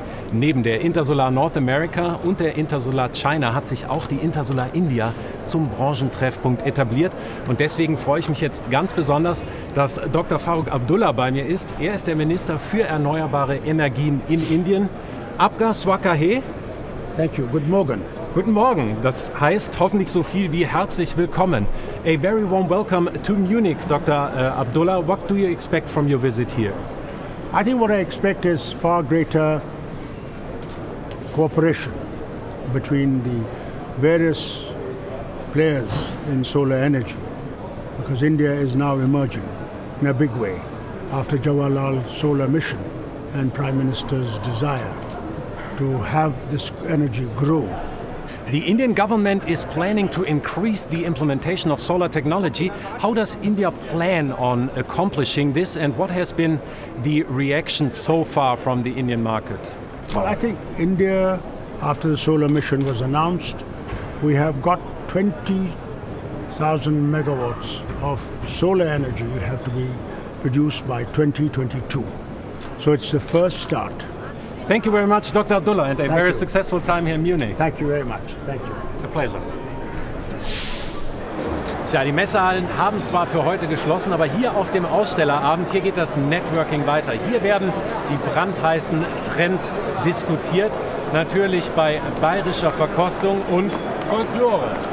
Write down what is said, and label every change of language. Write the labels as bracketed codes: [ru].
[de] Neben der Intersolar North America und der Intersolar China hat sich auch die Intersolar India zum Branchentreffpunkt etabliert. Und deswegen freue ich mich jetzt ganz besonders, dass Dr. Farooq Abdullah bei mir ist. Er ist der Minister für erneuerbare Energien in Indien. Abgar Swakahe. [en] Thank you. Good morning. [de] Guten Morgen. Das heißt hoffentlich so viel wie herzlich willkommen. [en] A very warm welcome to Munich, Dr. Abdullah. What do you expect from your visit here? I think what I expect is far greater cooperation between the various players in solar energy, because India is now emerging in a big way after Jawaharlal's solar mission and Prime Minister's desire to have this energy grow. The Indian government is planning to increase the implementation of solar technology. How does India plan on accomplishing this, and what has been the reaction so far from the Indian market? Well, I think India, after the solar mission was announced, we have got 20,000 megawatts of solar energy have to be produced by 2022. So it's the first start. Thank you very much, Dr. Abdullah, and a Thank very you. Successful time here in Munich. Thank you very much. Thank you. It's a pleasure. [de] Tja, die Messehallen haben zwar für heute geschlossen, aber hier auf dem Ausstellerabend, hier geht das Networking weiter. Hier werden die brandheißen Trends diskutiert, natürlich bei bayerischer Verkostung und Folklore.